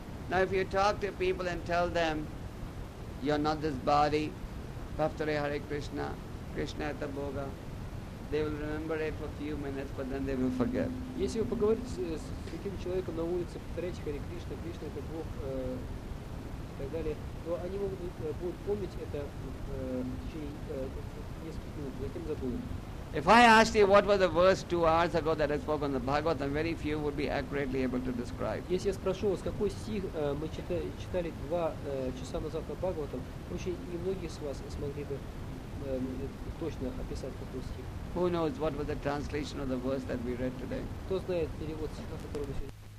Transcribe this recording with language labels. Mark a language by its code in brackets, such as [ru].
[en] Now if you talk to people and tell them, you're not this body, Bhaftare Hare Krishna, Krishna Yata Bhoga, they will remember it for a few minutes, but then they will forget. [ru] Если вы поговорите с таким человеком на улице, повторяйте Харе Кришна, Кришна это Бог, и так далее, то они будут помнить это в течение нескольких минут, затем забудут. [en] If I asked you what was the verse 2 hours ago that I spoke on the Bhagavatam, very few would be accurately able to describe. [ru] Если я спрошу вас, какой стих мы читали 2 часа назад на Бхагаватам, очень немногие из вас смогли бы точно описать какой стих. [en] Who knows what was the translation of the verse that we read today? [ru] Кто знает перевод стиха, который мы сегодня?